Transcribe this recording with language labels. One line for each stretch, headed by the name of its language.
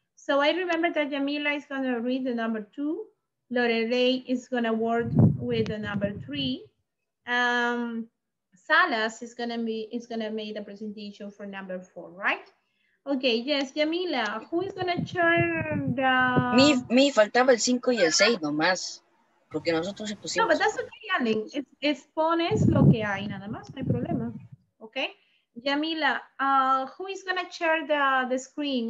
English: So I remember that Yamila is gonna read the number 2. Lorelei is gonna work with the number 3. Salas is gonna make the presentation for number 4, right? Okay, yes, Yamila, who is gonna turn the...
Spanish: Me faltaba el 5 y el 6 nomás. Porque nosotros se pusimos...
English: No, but that's okay, Alan.
Spanish: Es pones lo que hay, nada más, no hay problema.
English: Okay? Yamila, who is going to share the screen?